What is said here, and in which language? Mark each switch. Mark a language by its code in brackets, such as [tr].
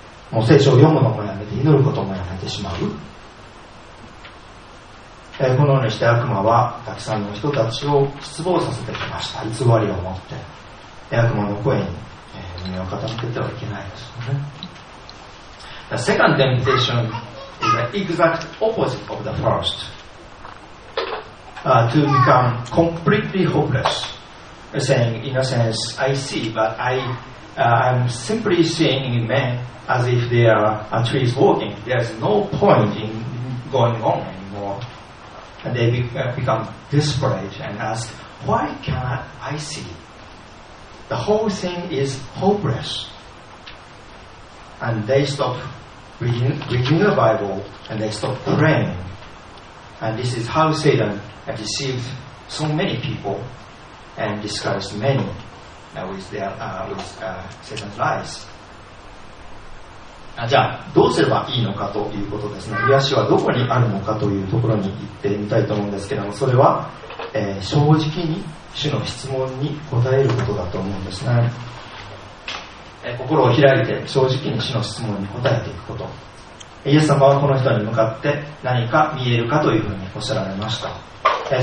[ja] もう聖書を読むのもやめて、祈ることもやめてしまう。このようにして悪魔はたくさんの人たちを失望させてきました。偽りを持って悪魔の声に耳を傾けてはいけないですよね。 [en] The second temptation is the exact opposite of the first. To become completely hopeless, saying in a sense, I see, but I'm simply seeing men as if they are trees walking. There's no point in going on anymore. And they become desperate and ask, why can't I see? The whole thing is hopeless. And they stop reading the Bible and they stop praying. And this is how Satan deceived so many people. and discouraged many with their with Satan's lies. [ja] じゃあどうすればいいのかということですね。癒しはどこにあるのかというところに行ってみたいと思うんですけども、それは、正直に主の質問に答えることだと思うんですね。心を開いて正直に主の質問に答えていくこと。イエス様はこの人に向かって何か見えるかというふうにおっしゃられました。